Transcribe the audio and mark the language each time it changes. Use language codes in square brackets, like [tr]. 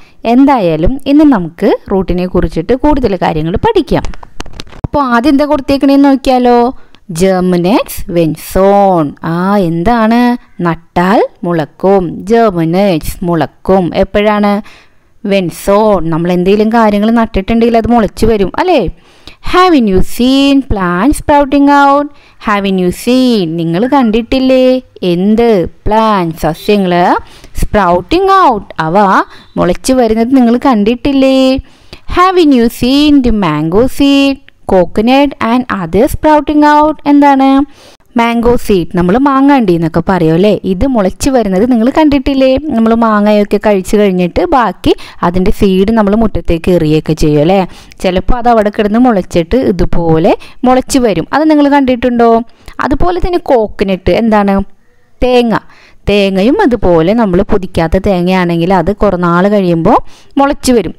[ml] എന്തായാലും ഇന്ന് നമുക്ക് റൂട്ടിനെ കുറിച്ചിട്ട് കൂടുതൽ കാര്യങ്ങൾ പഠിക്കാം. അപ്പോൾ ആദ്യം എന്താ കൊടുത്തേക്കണേന്ന് നോക്കിയാലോ. [en] Germinates when sown. [ml] ആ എന്താണ്? നട്ടാൽ മുളക്കും. ജെർമിനേറ്റ്സ് മുളക്കും എപ്പോഴാണ്? [en] When sown. [ml] നമ്മൾ എന്തെങ്കിലും കാര്യങ്ങൾ നട്ടിട്ടുണ്ടെങ്കിൽ അത് മുളച്ചു വരും അല്ലേ. [en] Haven't you seen plants sprouting out? Haven't you seen? [ml] നിങ്ങൾ കണ്ടിട്ടില്ലേ എന്ത് പ്ലാന്റ്സ്, സസ്യങ്ങൾ? [en] sprouting out, [ml] അവ മുളച്ചു വരുന്നത് നിങ്ങൾ കണ്ടിട്ടില്ലേ? [en] Haven't you seen the mango seed, coconut and others sprouting out? [ml] എന്താണ് മാംഗോ സീഡ്? നമ്മൾ മാങ്ങാണ്ടി എന്നൊക്കെ പറയുമല്ലേ. ഇത് മുളച്ചു വരുന്നത് നിങ്ങൾ കണ്ടിട്ടില്ലേ? നമ്മൾ മാങ്ങയൊക്കെ കഴിച്ചു കഴിഞ്ഞിട്ട് ബാക്കി അതിൻ്റെ സീഡ് നമ്മൾ മുറ്റത്തേക്ക് എറിയുകയൊക്കെ ചെയ്യും അല്ലേ. ചിലപ്പോൾ അത് അവിടെ കിടന്ന് മുളച്ചിട്ട് ഇതുപോലെ മുളച്ചു വരും, അത് നിങ്ങൾ കണ്ടിട്ടുണ്ടോ? അതുപോലെ തന്നെ കോക്കനട്ട്. എന്താണ് തേങ്ങ? തേങ്ങയും അതുപോലെ നമ്മൾ പൊതിക്കാത്ത തേങ്ങയാണെങ്കിൽ അത് കുറനാൾ കഴിയുമ്പോൾ മുളച്ചു വരും.